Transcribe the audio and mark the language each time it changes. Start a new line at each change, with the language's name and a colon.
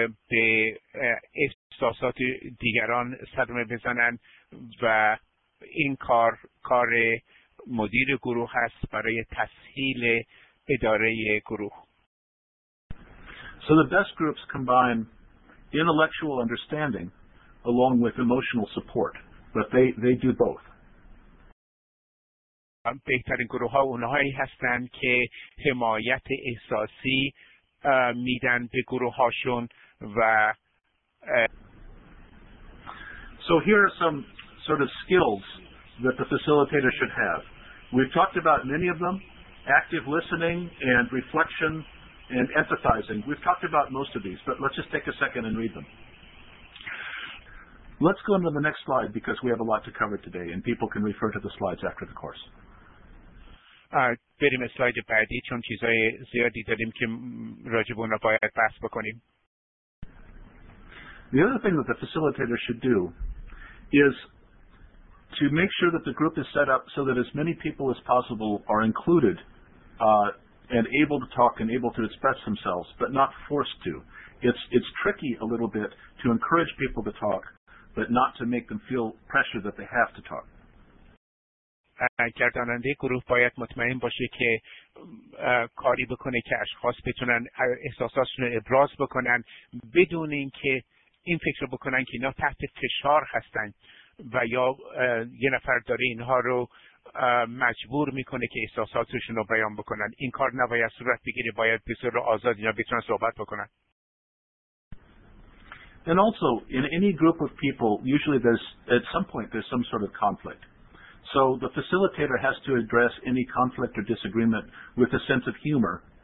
Persian: به احساسات دیگران صدمه بزنن و این کار مدیر گروه هست برای تسهیل اداره گروه.
English: So the best groups combine intellectual understanding along with emotional support, but they do both.
Persian: بهترین گروه ها اونهایی هستند که حمایت احساسی میدن به گروه هاشون و
English: So here are some sort of skills that the facilitator should have. We've talked about many of them, active listening and reflection and empathizing. We've talked about most of these, but let's just take a second and read them. Let's go into the next slide because we have a lot to cover today and people can refer to the slides after the course.
Persian: بریم اسلاید بعدی چون چیزهای زیادی داریم که راجع به اون را باید بحث بکنیم.
English: The other thing that the facilitator should do is to make sure that the group is set up so that as many people as possible are included and able to talk and able to express themselves, but not forced to. It's tricky a little bit to encourage people to talk, but not to make them feel pressure that they have to talk.
Persian: گرداننده گروه باید مطمئن باشه که کاری بکنه که اشخاص بتونن احساساتشون رو ابراز بکنن بدون اینکه این فکر بکنن که اینا تحت فشار هستن و یا یه نفر داره اینها رو مجبور میکنه که احساساتشون رو بیان بکنن. این کار نباید صورت بگیره، باید به صورت آزاد اینا بتونن صحبت بکنن.
English: And also in any group of people usually there's at some point there's some sort of conflict. So the facilitator has to address any conflict or disagreement with a sense of humor.